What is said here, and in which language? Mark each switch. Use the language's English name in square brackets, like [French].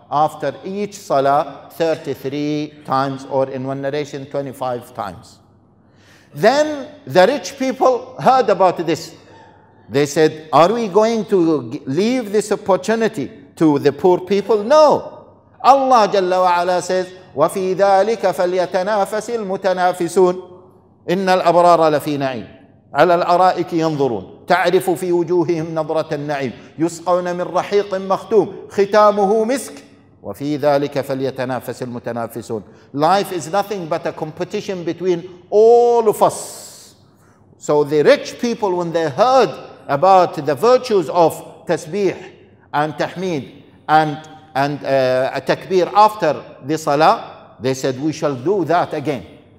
[English] After each salah, 33 times, or in one narration, 25 times. Then the rich people heard about this. They said, are we going to leave this opportunity to the poor people? No. Allah Jalla wa Ala says, [Arabic] وَفِي ذَلِكَ فَلْيَتَنَافَسِ الْمُتَنَافِسُونَ إِنَّ الْأَبْرَارَ لَفِي نَعِيمٍ على الأرائك ينظرون تعرف في وجوههم نظرة النعيم يسقون من رحيق مختوم ختامه مسك وفي ذلك فليتنافس المتنافسون. [English] Life is nothing but a competition between all of us. So the rich people, when they heard about the virtues of tasbih and tahmid and takbir after the salah, they said, we shall do that again.